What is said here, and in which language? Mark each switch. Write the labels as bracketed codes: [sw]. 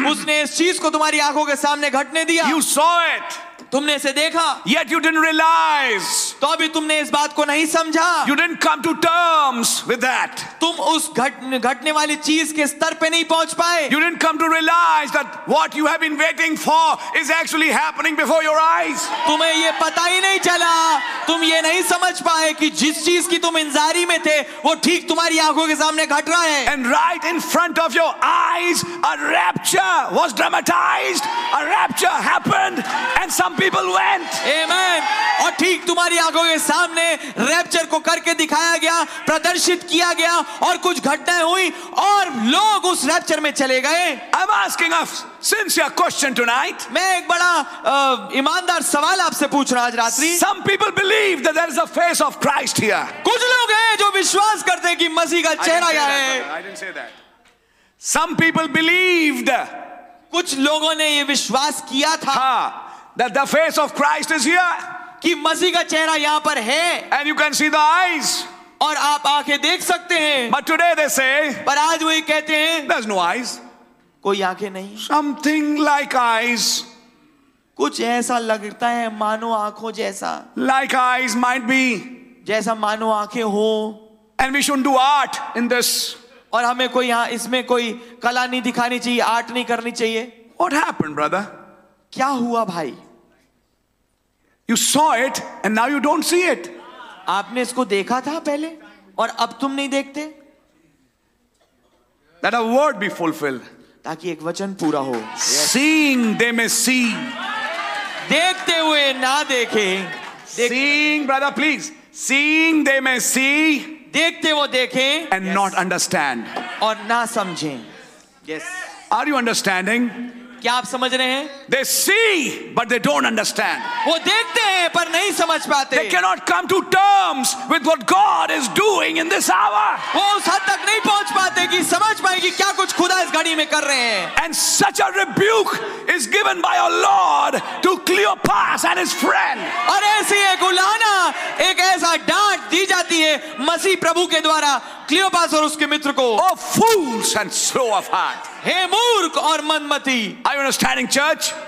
[hi] उसने इस चीज को तुम्हारी आंखों के सामने घटने दिया. [en] You saw it. [hi] तुमने इसे देखा. [en] Yet you didn't realize. [hi] तो भी तुमने इस बात को नहीं समझा. [en] You didn't come to terms with that. [hi] तुम उस घटने वाली चीज के स्तर पे नहीं पहुंच पाए. [en] You didn't come to realize that what you have been waiting for is actually happening before your eyes. [hi] तुम्हें ये पता ही नहीं चला. तुम ये नहीं समझ पाए कि जिस चीज की तुम इंतजारी में थे वो ठीक तुम्हारी आंखों के सामने घट रहा है. [en] And right in front of your eyes a rapture was dramatized. A rapture happened and some people went. Amen. [hi] और ठीक तुम्हारी आंखों के सामने रैप्चर को करके दिखाया गया, प्रदर्शित किया गया और कुछ घटनाएं हुई और लोग उस रैप्चर में चले गए. [en] I'm asking a sincere question tonight. [hi] मैं एक बड़ा ईमानदार सवाल आपसे पूछ रहा आज रात्रि. [en] Some people believe that there is a face of Christ here. [hi] कुछ लोग हैं जो विश्वास करते हैं कि मसीह का चेहरा यहाँ है. [en] I didn't say that. Some people believed. [hi] कुछ लोगों ने ये विश्वास किया था. [en] That the face of Christ is here. [hi] कि मसीह का चेहरा यहाँ पर है. [en] And you can see the eyes. [hi] और आप आंखें देख सकते हैं. [en] But today they say. [hi] पर आज वो ये कहते हैं. [en] There's no eyes. [hi] कोई आंखें नहीं. [en] Something like eyes. [hi] कुछ ऐसा लगता है मानो आंखों जैसा. [en] Like eyes might be. [hi] जैसा मानो आंखें हो. [en] And we shouldn't do art in this. [hi] और हमें कोई यहाँ इसमें कोई कला नहीं दिखानी चाहिए, आर्ट नहीं करनी चाहिए. [en] What happened, brother? [hi] क्या हुआ भाई? [en] You saw it and now you don't see it. [hi] आपने इसको देखा था पहले और अब तुम नहीं देखते. [en] That a word be fulfilled. [hi] ताकि एक वचन पूरा हो. [en] Seeing they may see. [hi] देखते हुए ना देखे. [en] Seeing, brother, please. Seeing they may see. [hi] देखते वो देखें. [en] And yes. Not understand. [hi] और ना समझें. Yes. [en] Are you understanding? [hi] क्या आप समझ रहे हैं? [en] They see, but they don't understand. [hi] वो देखते हैं पर नहीं समझ पाते. [en] They cannot come to terms with what God is doing in this hour. [hi] वो उस हद तक नहीं पहुंच पाते कि समझ पाए कि क्या कुछ खुदा इस घड़ी में कर रहे हैं. [en] And such a rebuke is given by our Lord to Cleopas and his friend. [hi] और ऐसी एक उलाना, एक ऐसा डांट दी जाती है मसीह प्रभु के द्वारा क्लियोपास और उसके मित्र को. [en] Oh fools and slow of heart. [hi] हे मूर्ख और Manmati. [en] Are you understanding, church?